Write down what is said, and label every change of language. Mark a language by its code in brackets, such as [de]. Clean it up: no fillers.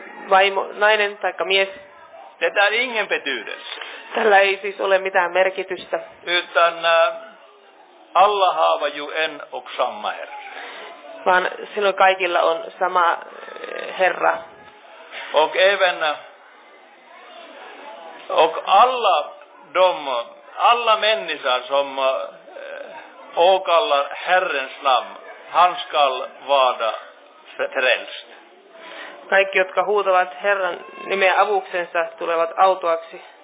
[fi] Vaimo, nainen taikka mies. [sv] Det är ingen betydelse. [fi] Tällä ei siis ole mitään merkitystä. [sv] Utan alla haava ju en och samma herre. [fi] Vaan silloin kaikilla on sama herra. [sv] Och även och alla de alla människor som åkallar Herrens namn, han skall vara frälst. [fi] Kaikki, jotka huutavat Herran nimeä avuksensa, tulevat autuaksi.